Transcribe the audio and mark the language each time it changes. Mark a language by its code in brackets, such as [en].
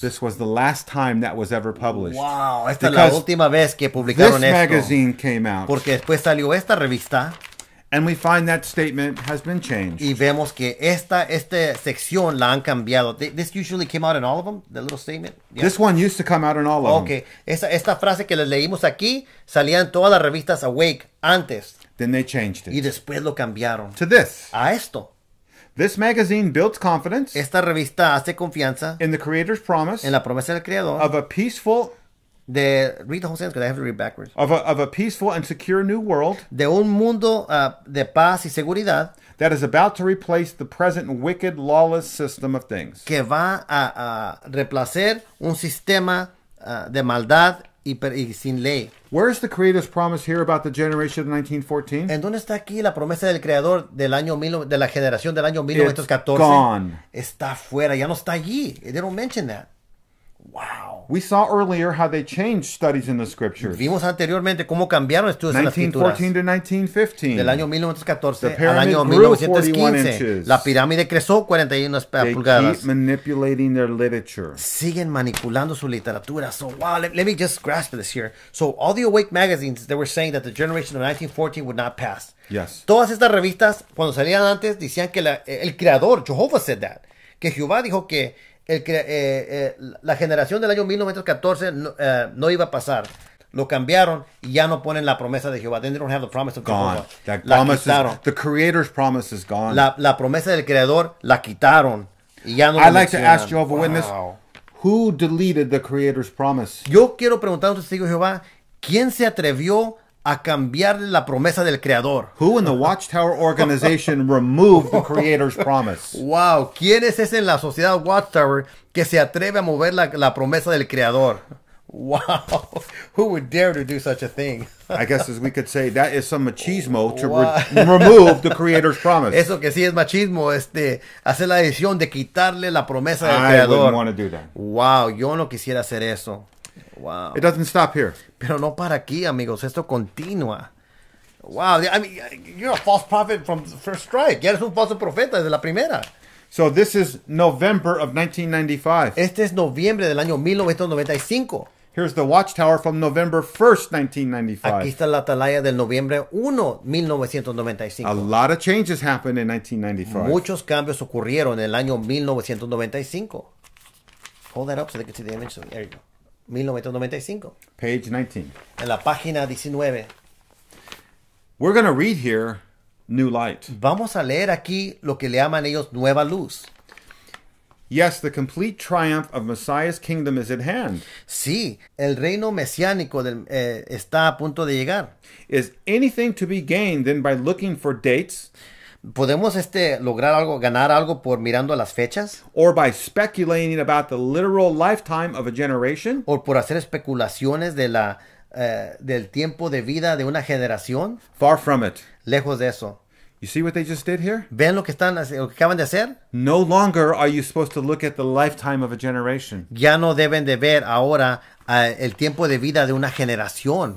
[en] This was the last time that was ever published. [es] Wow, esta es la última vez que publicaron [en] this [es] esto. [en] This magazine came out. [es] Porque después salió esta revista. [en] And we find that statement has been changed. [es] Y vemos que esta sección la han cambiado. [en] This usually came out in all of them, the little statement. Yeah. This one used to come out in all of okay. them. [es] Okay, esta frase que les leímos aquí salía en todas las revistas Awake antes. [en] Then they changed it. [es] Y después lo cambiaron. [en] To this. [es] A esto. [en] This magazine builds confidence. [es] Esta revista hace confianza. [en] In the Creator's promise. [es] En la promesa del Creador. [en] Of a peaceful. De, read the whole sentence because I have to read backwards. Of a peaceful and secure new world. [es] De un mundo de paz y seguridad. [en] That is about to replace the present wicked, lawless system of things. [es] Que va a reemplazar un sistema de maldad y sin ley. [en] Where is the Creator's promise here about the generation of 1914? [es] ¿En dónde está aquí la promesa del Creador del año de la generación del año 1914? [en] It's gone. [es] Está fuera, ya no está allí. [en] They don't mention that. Wow. We saw earlier how they changed studies in the scriptures. [es] Vimos anteriormente cómo cambiaron estudios en las escrituras. [en] 1914 to 1915. [es] Del año 1914 al año 1915. La pirámide creció 41 pulgadas. [en] They keep manipulating their literature. [es] Siguen manipulando su literatura. [en] So wow, let me just grasp this here. So all the Awake magazines, they were saying that the generation of 1914 would not pass. Yes. [es] Todas estas revistas, cuando salían antes, decían que el creador, [en] Jehovah said that. [es] Que Jehová dijo que la generación del año 1914 no iba a pasar. Lo cambiaron y ya no ponen la promesa de Jehová. [en] Then they don't have the promise of Jehovah. Gone. That [es] la [en] promise [es] quitaron. [en] Is, the Creator's promise is gone. [es] La promesa del Creador la quitaron y ya no [en] I'd like mencionan. To ask Jehovah Witness, who deleted the Creator's promise? [es] Yo quiero preguntar a un testigo de Jehová, ¿quién se atrevió a cambiar la promesa del Creador? [en] Who in the Watchtower organization removed the Creator's promise? [es] Wow, ¿quién es ese en la sociedad Watchtower que se atreve a mover la promesa del Creador? [en] Wow, who would dare to do such a thing? I guess as we could say, that is some machismo to remove the Creator's promise. [es] Eso que sí es machismo, hacer la decisión de quitarle la promesa del [en] I [es] Creador. [en] I wouldn't want to do [es] that. Wow, yo no quisiera hacer eso. Wow. [en] It doesn't stop here. [es] Pero no para aquí, amigos. Esto continúa. Wow. [en] I mean, you're a false prophet from the first strike. [es] Ya eres un falso profeta desde la primera. [en] So this is November of 1995. [es] Este es noviembre del año 1995. [en] Here's the Watchtower from November 1st, 1995. [es] Aquí está la atalaya del noviembre 1, 1995. [en] A lot of changes happened in 1995. [es] Muchos cambios ocurrieron en el año 1995. [en] Hold that up so they can see the image. There you go. 1995. Page 19. [es] En la página 19. [en] We're going to read here New Light. [es] Vamos a leer aquí lo que le llaman ellos Nueva Luz. [en] Yes, the complete triumph of Messiah's kingdom is at hand. [es] Sí, el reino mesiánico del, está a punto de llegar. [en] Is anything to be gained then by looking for dates? [es] ¿Podemos este, lograr algo, ganar algo por mirando las fechas? [en] Or by speculating about the literal lifetime of a generation? [es] ¿O por hacer especulaciones de la, del tiempo de vida de una generación? [en] Far from it. [es] Lejos de eso. [en] You see what they just did here? [es] ¿Ven lo que están, lo que acaban de hacer? [en] No longer are you supposed to look at the lifetime of a generation. [es] Ya no deben de ver ahora el tiempo de vida de una generación.